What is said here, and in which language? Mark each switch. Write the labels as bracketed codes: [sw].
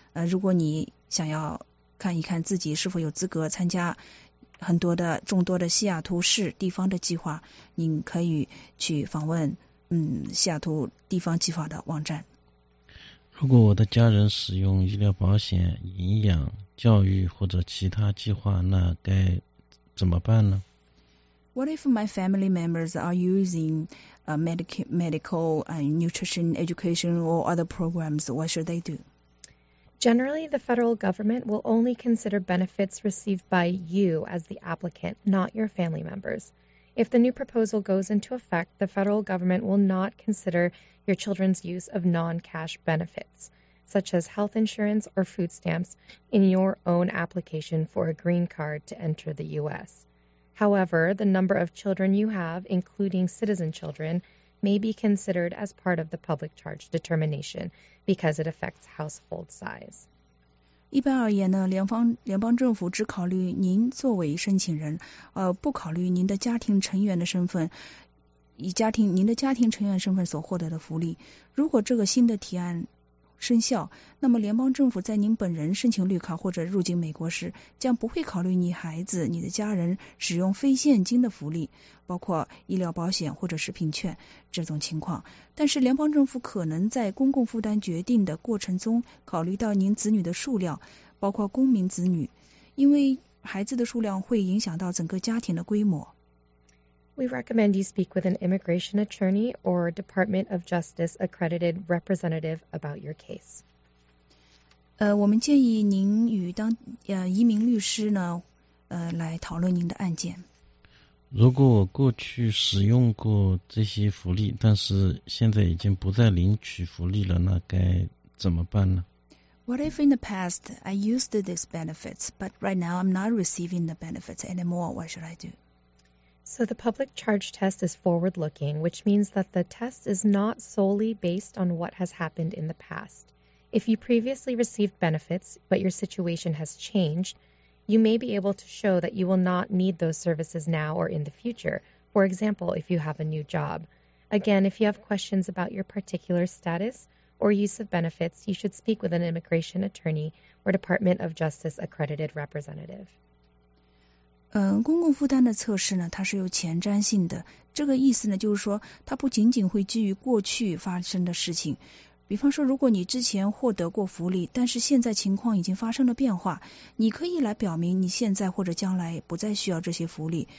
[zh] 如果你想要看一看自己是否有资格参加众多的西雅图市地方的计划，你可以去访问西雅图地方计划的网站。如果我的家人使用医疗保险、营养、教育或者其他计划，那该怎么办呢？ [en] What if my family members are using medical and nutrition education or other programs? What should they do? Generally, the federal government will only consider benefits received by you as the applicant, not your family members. If the new proposal goes into effect, the federal government will not consider your children's use of non-cash benefits, such as health insurance or food stamps, in your own application for a green card to enter the U.S. However, the number of children you have, including citizen children, may be considered as part of the public charge determination because it affects household size. [zh] 一般而言呢，联邦政府只考虑您作为申请人，不考虑您的家庭成员的身份，您的家庭成员身份所获得的福利。如果这个新的提案生效，那么联邦政府在您本人申请绿卡或者入境美国时，将不会考虑你孩子、你的家人使用非现金的福利，包括医疗保险或者食品券这种情况。但是联邦政府可能在公共负担决定的过程中考虑到您子女的数量，包括公民子女，因为孩子的数量会影响到整个家庭的规模。 [en] We recommend you speak with an immigration attorney or Department of Justice accredited representative about your case. [zh] 我们建议您与移民律师呢，来讨论您的案件。如果我过去使用过这些福利，但是现在已经不再领取福利了，那该怎么办呢？ [en] What if in the past I used these benefits, but right now I'm not receiving the benefits anymore? What should I do? So the public charge test is forward-looking, which means that the test is not solely based on what has happened in the past. If you previously received benefits, but your situation has changed, you may be able to show that you will not need those services now or in the future, for example, if you have a new job. Again, if you have questions about your particular status or use of benefits, you should speak with an immigration attorney or Department of Justice accredited representative. [zh] 公共负担的测试呢，它是有前瞻性的。这个意思呢，就是说它不仅仅会基于过去发生的事情。比方说，如果你之前获得过福利，但是现在情况已经发生了变化，你可以来表明你现在或者将来不再需要这些福利。